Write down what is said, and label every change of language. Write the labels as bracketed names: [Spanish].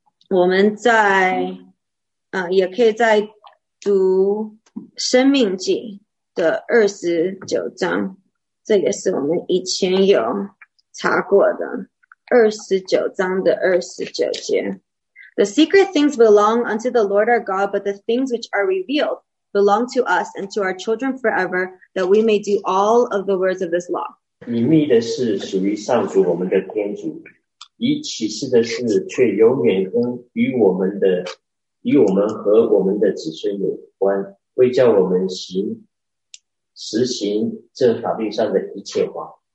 [Chinese] 我们在也可以再读生命记的29章，这也是我们以前有查过的，29章的29节。 [English] The secret things belong unto the Lord our God, but the things which are revealed belong to us and to our children forever, that we may do all of the words of this law. [Chinese] 隐秘的事属于上主我们的天主，以启示的事却永远跟与我们和我们的子孙有关，会叫我们实行这法律上的一切话。